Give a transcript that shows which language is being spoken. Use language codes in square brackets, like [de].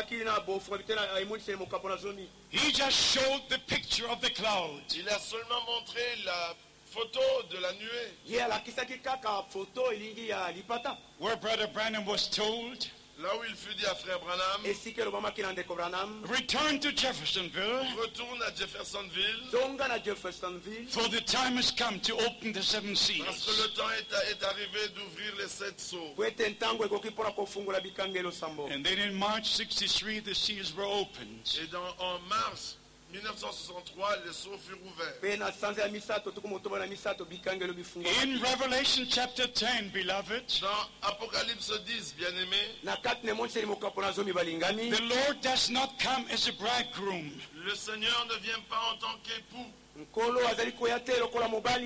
[en] He just showed the picture of the cloud. [fr] Il a seulement montré la photo de la nuée. [en] Where Brother Branham was told. [fr] Là où il fut dit à Frère Branham, si que Branham, [en] return to Jeffersonville, [fr] retourne à Jeffersonville, donc à Jeffersonville, [en] for the time has come to open the seven seals. [fr] Parce que le temps est arrivé d'ouvrir les sept sceaux. [en] And then in March 63, the seals were opened. [fr] Et en mars 1963, les sceaux furent ouverts. [en] In Revelation chapter 10, beloved, [fr] dans Apocalypse 10, bien-aimé, [en] the Lord does not come as a bridegroom. [fr] Le Seigneur ne vient pas en tant qu'époux.